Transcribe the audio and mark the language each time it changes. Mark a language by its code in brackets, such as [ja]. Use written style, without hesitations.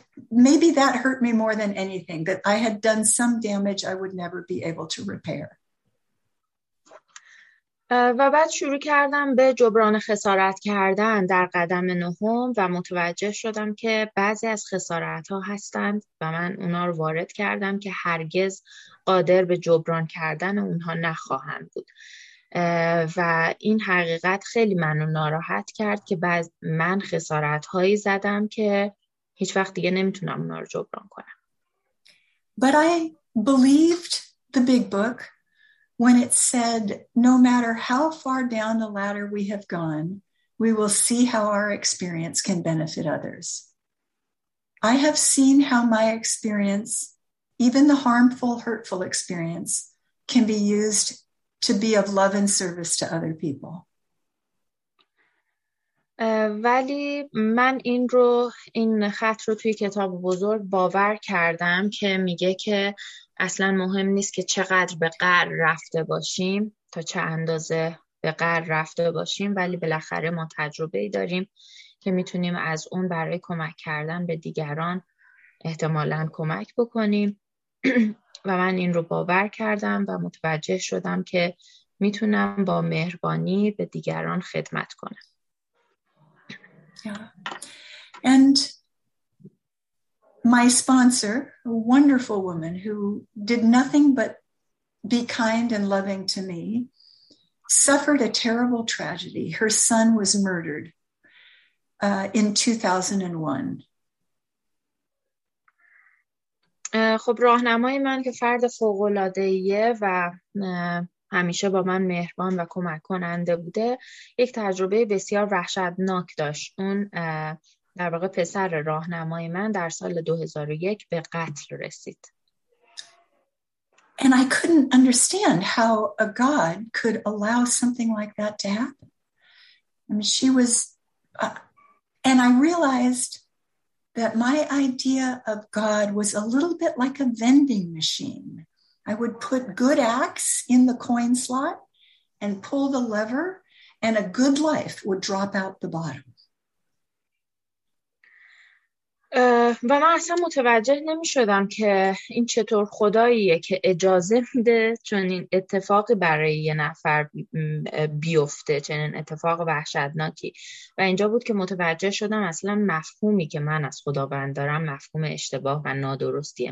[en] Maybe that hurt me more than anything, that I had done some damage I would never be able to repair. [fa] و بعد شروع کردم به جبران خسارت کردن در قدم 9 و متوجه شدم که بعضی از خسارت ها هستند و من اونا رو وارد کردم که هرگز قادر به جبران کردن اونها نخواهم بود و این حقیقت خیلی منو ناراحت کرد که بعض من خسارت هایی زدم که هیچ وقت دیگه نمیتونم اونا رو جبران کنم. [en] But I believed the big book when it said, no matter how far down the ladder we have gone, we will see how our experience can benefit others. I have seen how my experience, even the harmful, hurtful experience, can be used to be of love and service to other people. [fa] ولی من این خط رو توی کتاب بزرگ باور کردم که میگه که اصلا مهم نیست که چقدر به غر رفته باشیم تا چه اندازه به غر رفته باشیم، ولی بالاخره ما تجربه ای داریم که میتونیم از اون برای کمک کردن به دیگران احتمالاً کمک بکنیم و من این رو باور کردم و متوجه شدم که میتونم با مهربانی به دیگران خدمت کنم. [en] Yeah. And my sponsor, a wonderful woman who did nothing but be kind and loving to me, suffered a terrible tragedy. Her son was murdered in 2001. [fa] خب راهنمای من که فرد فوق‌العاده‌ایه و همیشه با من مهربان و کمک کننده بوده یک تجربه بسیار وحشتناک داشت. اون در واقع پسر راهنمای من در سال 2001 به قتل رسید. [en] And I couldn't understand how a God could allow something like that to happen. I mean, she was, and I realized that my idea of God was a little bit like a vending machine. I would put good acts in the coin slot and pull the lever, and a good life would drop out the bottom. [fa] و من اصلا متوجه نمی شدم که این چطور خداییه که اجازه میده چنین اتفاقی برای یه نفر بیفته، چنین اتفاق وحشتناکی. و اینجا بود که متوجه شدم اصلا مفهومی که من از خداوند دارم مفهوم اشتباه و نادرستیه.